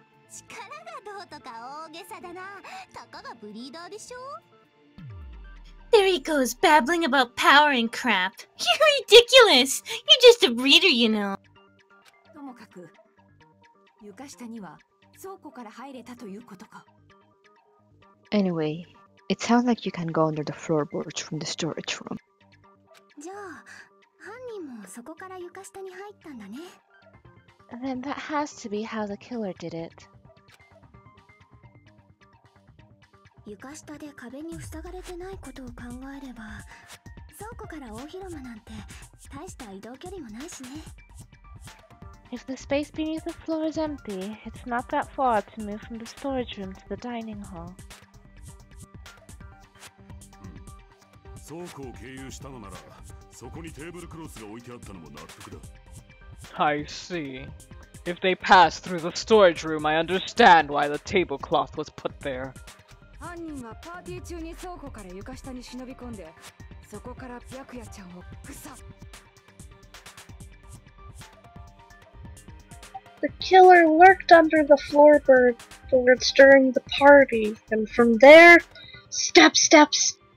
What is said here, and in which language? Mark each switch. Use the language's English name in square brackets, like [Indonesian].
[Japanese] 力がどうとか大げさだな。たかがブリーダーでしょ? [English] There he goes, babbling about power and crap. You're ridiculous! You're just a breeder, you know. [Japanese] ともかく、床下には倉庫から入れたということか。 [English] Anyway, it sounds like you can go under the floorboards from the storage room. [Japanese] じゃあ、犯人もそこから床下に入ったんだね。 [English] Then that has to be how the killer did it. [Japanese] 床下で壁に塞がれてないことを考えれば、倉庫から大広間なんて大した移動距離もないしね。 [English] If the space beneath the floor is empty, it's not that far to move from the storage room to the dining hall. [Japanese] 倉庫を経由したのなら、そこにテーブルクロスが置いてあったのも納得だ。 [English] I see. If they pass through the storage room, I understand why the tablecloth was put there. [Japanese] 犯人はパーティー中に倉庫から床下に忍び込んで、そこからピアクヤちゃんをくさ。 [English] The killer lurked under the floorboards during the party, and from there, steps.